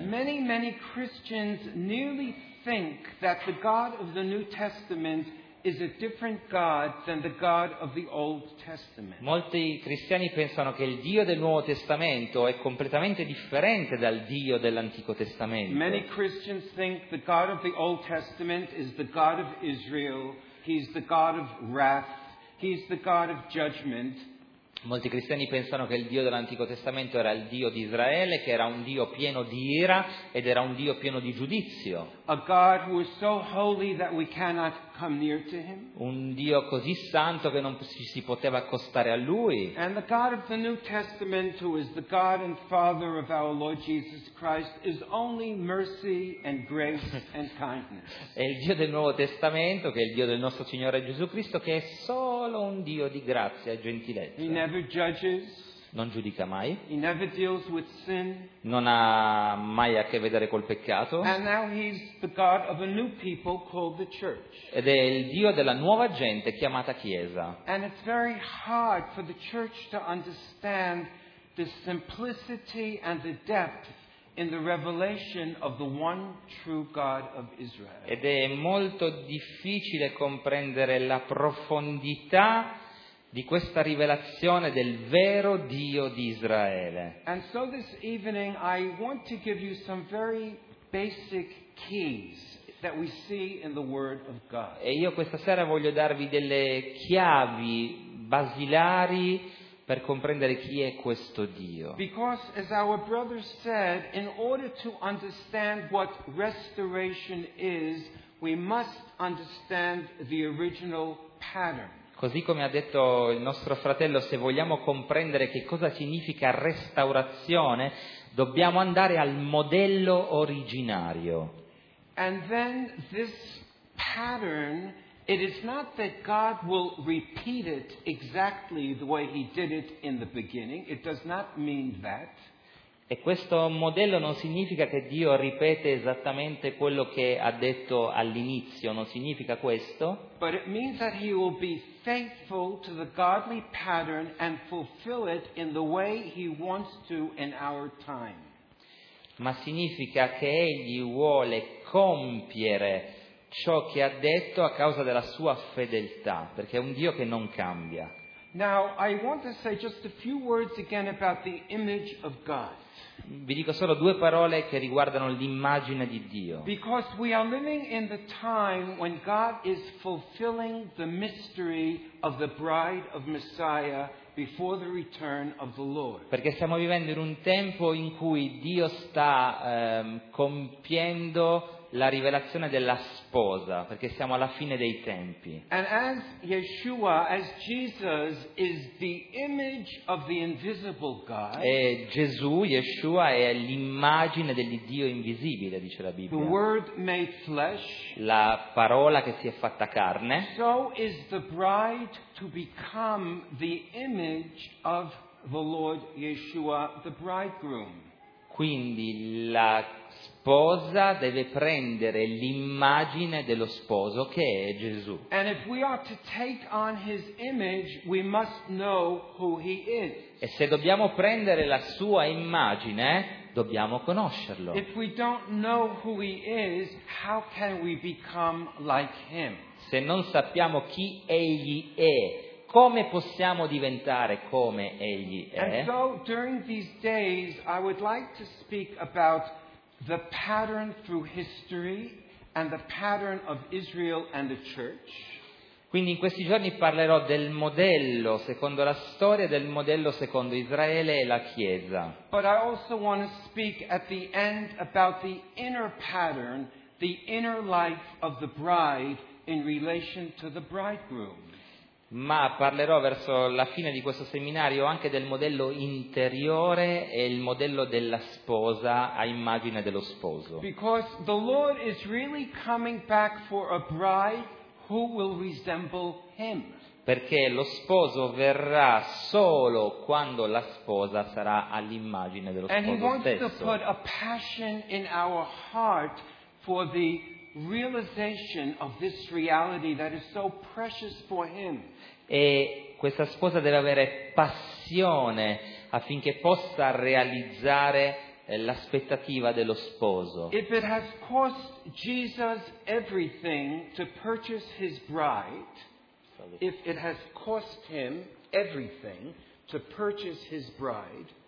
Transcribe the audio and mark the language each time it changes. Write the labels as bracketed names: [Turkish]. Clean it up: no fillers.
[English] Many Christians nearly think that the God of the New Testament is a different God than the God of the Old Testament. [Italian] Molti cristiani pensano che il Dio del Nuovo Testamento è completamente differente dal Dio dell'Antico Testamento. [English] Many Christians think the God of the Old Testament is the God of Israel. He's the God of wrath. He's the God of judgment. [Italian] Molti cristiani pensano che il Dio dell'Antico Testamento era il Dio di Israele, che era un Dio pieno di ira ed era un Dio pieno di giudizio. [English] A God who is so holy that we cannot come near to him. [Italian] Un Dio così santo che non ci si poteva accostare a lui. [English] And the God of the New Testament, who is the God and Father of our Lord Jesus Christ, is only mercy and grace and kindness. [Italian] E il Dio del Nuovo Testamento, che è il Dio del nostro Signore Gesù Cristo, che è solo un Dio di grazia e gentilezza. [English] He never judges. [Italian] Non giudica mai. [English] He never deals with sin. [Italian] Non ha mai a che vedere col peccato. [English] And now he's the God of a new people called the church. [Italian] Ed è il Dio della nuova gente chiamata Chiesa. [English] And it's very hard for the church to understand the simplicity and the depth in the revelation of the one true God of Israel. [Italian] Ed è molto difficile comprendere la profondità di questa rivelazione del vero Dio di Israele. [English] And so this evening I want to give you some very basic keys that we see in the Word of God. [Italian] E io questa sera voglio darvi delle chiavi basilari per comprendere chi è questo Dio. [English] Because as our brother said, in order to understand what restoration is, we must understand the original pattern. [Italian] Così come ha detto il nostro fratello, se vogliamo comprendere che cosa significa restaurazione, dobbiamo andare al modello originario. [English] And then this pattern, it is not that God will repeat it exactly the way he did it in the beginning. It does not mean that. [Italian] E questo modello non significa che Dio ripete esattamente quello che ha detto all'inizio, non significa questo. [English] But it means that he will be faithful to the godly pattern and fulfill it in the way he wants to in our time. [Italian] Ma significa che egli vuole compiere ciò che ha detto a causa della sua fedeltà, perché è un Dio che non cambia. [English] Now I want to say just a few words again about the image of God. [Italian] Vi dico solo due parole che riguardano l'immagine di Dio. [English] Because we are living in the time when God is fulfilling the mystery of the bride of Messiah before the return of the Lord. [Italian] Perché stiamo vivendo in un tempo in cui Dio sta compiendo la rivelazione della sposa, perché siamo alla fine dei tempi. [English] And as Yeshua, as Jesus, is the image of the invisible God. [Italian] E Gesù, Yeshua, è l'immagine dell'Iddio invisibile, dice la Bibbia. [English] The Word made flesh. [Italian] La parola che si è fatta carne. [English] So is the bride to become the image of the Lord Yeshua, the bridegroom. [Italian] Quindi la sposa deve prendere l'immagine dello sposo che è Gesù. [English] And if we are to take on his image, we must know who he is. [Italian] E se dobbiamo prendere la sua immagine, dobbiamo conoscerlo. [English] If we don't know who he is, how can we become like him? [Italian] Se non sappiamo chi egli è, come possiamo diventare come egli è? [English] And so during these days I would like to speak about the pattern through history and the pattern of Israel and the church. [Italian] Quindi in questi giorni parlerò del modello secondo la storia, del modello secondo Israele e la Chiesa. [English] But I also want to speak at the end about the inner pattern, the inner life of the bride in relation to the bridegroom. [Italian] Ma parlerò verso la fine di questo seminario anche del modello interiore e il modello della sposa a immagine dello sposo. [English] Because the Lord is really coming back for a bride who will resemble him. [Italian] perché lo sposo verrà solo quando la sposa sarà all'immagine dello [English] and [Italian] sposo stesso. [English] And he wants to put a passion in our heart for the realization of this reality that is so precious for him. [Italian] E questa sposa deve avere passione affinché possa realizzare l'aspettativa dello sposo. [English] If it has cost Jesus everything to purchase his bride, if it has cost him everything to purchase his bride,